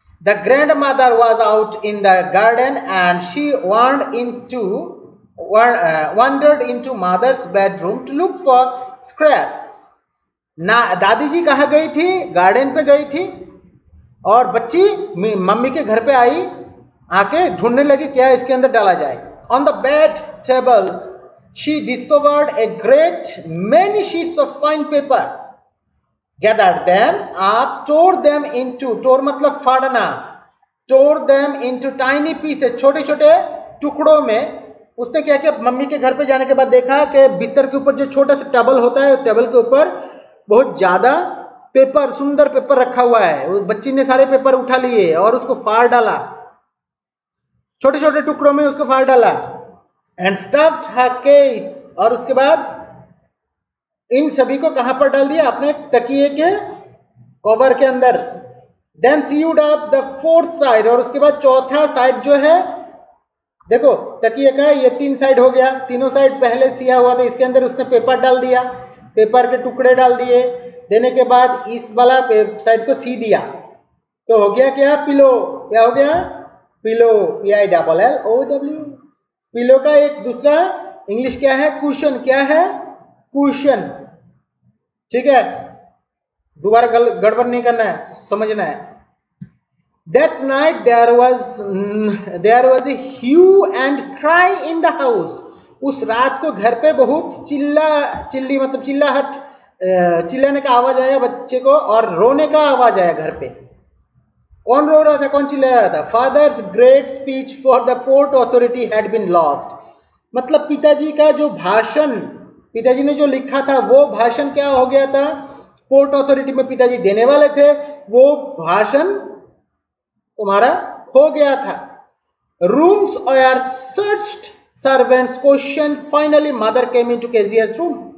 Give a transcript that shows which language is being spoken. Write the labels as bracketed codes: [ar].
[en] The grandmother was out in the garden and she wandered into wandered into mother's bedroom to look for scraps. [hi] ना दादी जी कहाँ गई थी, garden पे गई थी, और बच्ची मम्मी के घर पे आई, आके ढूंढने लगी क्या इसके अंदर डाला जाए। [en] On the bed table, she discovered a great many sheets of fine paper. Gathered them up, tore them into, tore [hi] मतलब फाड़ना, [en] tore them into tiny pieces, [hi] छोटे छोटे टुकड़ों में। उसने क्या किया, मम्मी के घर पे जाने के बाद देखा कि बिस्तर के ऊपर जो छोटा सा टेबल होता है, टेबल के ऊपर बहुत ज़्यादा पेपर, सुंदर पेपर रखा हुआ है। बच्ची ने सारे पेपर उठा लिए और उसको फाड़ डाला, छोटे छोटे टुकड़ों में उसको फाड़ डाला। [en] and stuffed her case, [hi] और उसके बाद इन सभी को कहाँ पर डाल दिया, अपने तकिए के कवर के अंदर। [en] then sewed up the fourth side, [hi] और उसके बाद चौथा साइड जो है, देखो तकिए का ये तीन साइड हो गया, तीनों साइड पहले सिया हुआ था, इसके अंदर उसने पेपर डाल दिया, पेपर के टुकड़े डाल दिए, देने के बाद इस वाला साइड को सी दिया, तो हो गया क्या, पिलो। क्या हो गया, पिलो, PILOW, पिलो का एक दूसरा इंग्लिश क्या है, कुशन। क्या है, कुशन, ठीक है, दोबारा गड़बड़ नहीं करना है, समझना है। [en] That night there was a hue and cry in the house. [hi] उस रात को घर पे बहुत चिल्ली मतलब चिल्लाहट, चिल्लाने का आवाज आया बच्चे को, और रोने का आवाज आया घर पे। कौन रो रहा था, [en] कौन चिल्ला रहा था, Father's great speech for the port authority had been lost. [hi] मतलब पिताजी का जो भाषण, पिताजी ने जो लिखा था वो भाषण क्या हो गया था, पोर्ट अथॉरिटी में पिताजी देने वाले थे, वो भाषण तुम्हारा हो गया था। [en] Rooms are searched, servants question, finally mother came into KG's room.